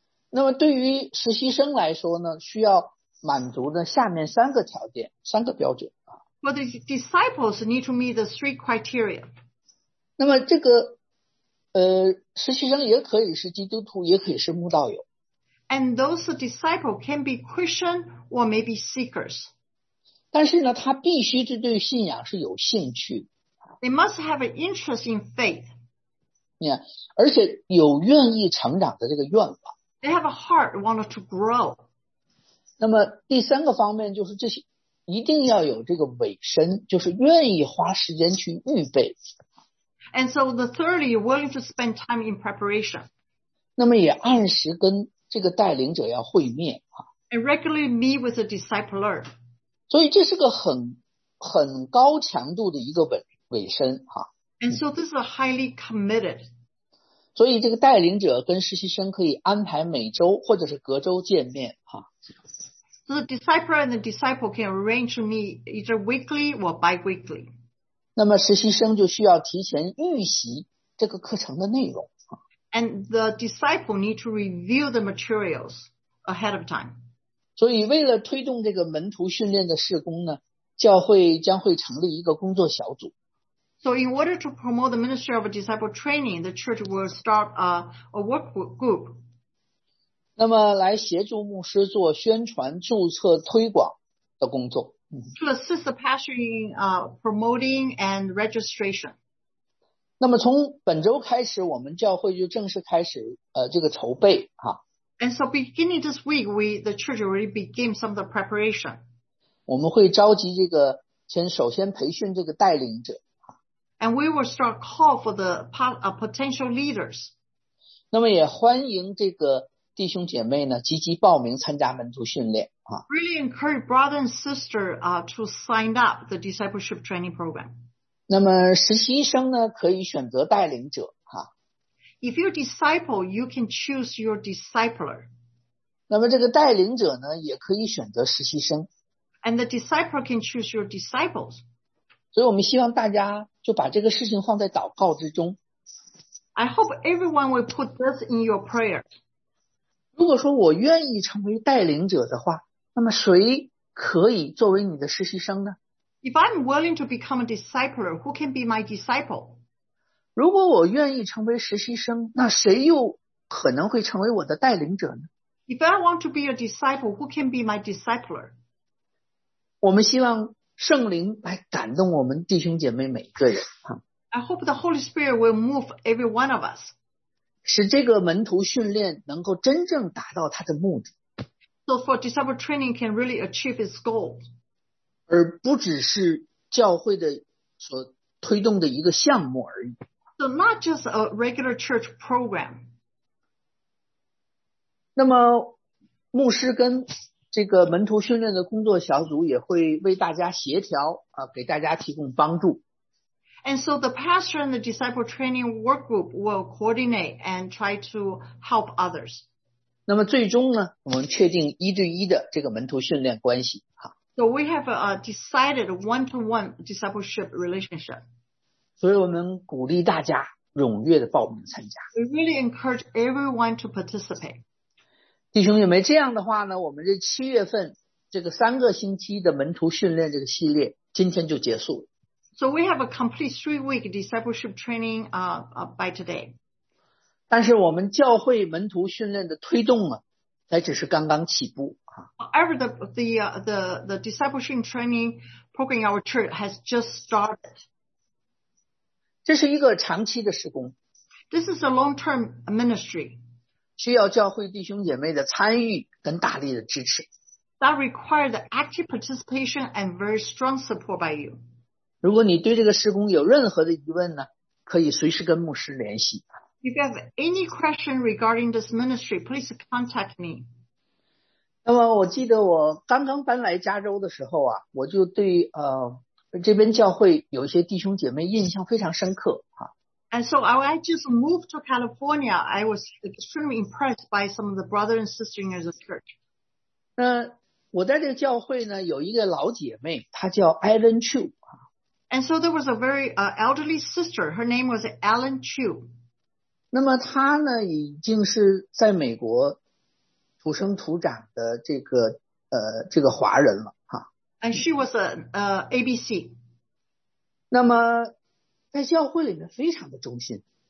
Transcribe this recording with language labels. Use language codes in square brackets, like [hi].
[zh] 那么对于实习生来说呢需要满足的下面三个条件三个标准。 [en] But the disciples need to meet the three criteria. [zh] 那么这个实习生也可以是基督徒也可以是慕道友。 [en] And those disciples can be Christian or maybe seekers. [zh] 但是呢他必须对信仰是有兴趣。 [en] They must have an interest in faith. [zh] Yeah, 而且有愿意成长的这个愿望。 [en] They have a heart wanted to grow. [zh] 那么第三个方面就是这些一定要有这个委身就是愿意花时间去预备。 [en] And so the thirdly, you're willing to spend time in preparation. [zh] 那么也按时跟这个带领者要会面。 [en] And regularly meet with a discipler. [zh] 所以这是个很高强度的一个委身。 [en] And so this is a highly committed. [zh] 所以这个带领者跟实习生可以安排每周或者是隔周见面。 [en] So the discipler and the disciple can arrange to meet either weekly or bi-weekly. [zh] 那么实习生就需要提前预习这个课程的内容。 [en] And the disciple need to review the materials ahead of time. [zh] 所以为了推动这个门徒训练的事工呢教会将会成立一个工作小组。 [en] So in order to promote the ministry of a disciple training, the church will start a work group. [zh] 那么来协助牧师做宣传、注册、推广的工作。 [en] To assist the pastor in promoting and registration. [zh] 那么从本周开始，我们教会就正式开始这个筹备哈。 [en] And so beginning this week, the church already began some of the preparation. [zh] 我们会召集这个先首先培训这个带领者。 [en] And we will start call for the potential leaders. [zh] 那么也欢迎这个弟兄姐妹呢积极报名参加门徒训练。 [en] Really encourage brother and sister to sign up the discipleship training program. [zh] 那么实习生呢可以选择带领者。 [en] If you're a disciple, you can choose your discipler. [zh] 那么这个带领者呢也可以选择实习生。 [en] And the disciple can choose your disciples. [zh] 所以我们希望大家就把这个事情放在祷告之中。 [en] I hope everyone will put this in your prayer. [zh] 如果说我愿意成为带领者的话，那么谁可以作为你的实习生呢？ [en] If I'm willing to become a discipler, who can be my disciple? [zh] 如果我愿意成为实习生，那谁又可能会成为我的带领者呢？ [en] If I want to be a disciple, who can be my discipler? [zh] 我们希望圣灵来感动我们弟兄姐妹每一个人。 [en] I hope the Holy Spirit will move every one of us. [zh] 使这个门徒训练能够真正达到他的目的。 [en] So for disciple training can really achieve its goal. [zh] 而不只是教会的所推动的一个项目而已。 [en] So not just a regular church program. [zh] 那么牧师跟这个门徒训练的工作小组也会为大家协调给大家提供帮助。 [en] And so the pastor and the disciple training work group will coordinate and try to help others. [zh] 那么最终呢我们确定一对一的这个门徒训练关系。 [en] So we have a decided one-to-one discipleship relationship. [zh] 所以我们鼓励大家踊跃的报名参加。 [en] We really encourage everyone to participate. [zh] 弟兄姐妹，这样的话呢，我们这七月份这个三个星期的门徒训练这个系列今天就结束了。 [en] So we have a complete three-week discipleship training by today. [zh] 但是我们教会门徒训练的推动呢才只是刚刚起步。 [en] However, the discipleship training program in our church has just started. [zh] 这是一个长期的事工。 [en] This is a long-term ministry. [zh] 需要教会弟兄姐妹的参与跟大力的支持。 [en] That requires active participation and very strong support by you. [zh] 如果你对这个事工有任何的疑问呢，可以随时跟牧师联系。 [en] If you have any question regarding this ministry, please contact me. [zh] 那么我记得我刚刚搬来加州的时候啊，我就对这边教会有一些弟兄姐妹印象非常深刻啊。 [en] And so when I just moved to California, I was extremely impressed by some of the brothers and sisters in the church. [zh] 那我在这个教会呢，有一个老姐妹，她叫 Ellen Chu. [en] And so there was a very elderly sister. Her name was Ellen Chu. [zh] 那么她呢，已经是在美国土生土长的这个华人了哈。 [en] And she was an ABC. [zh] 那么在教会里面非常的忠心。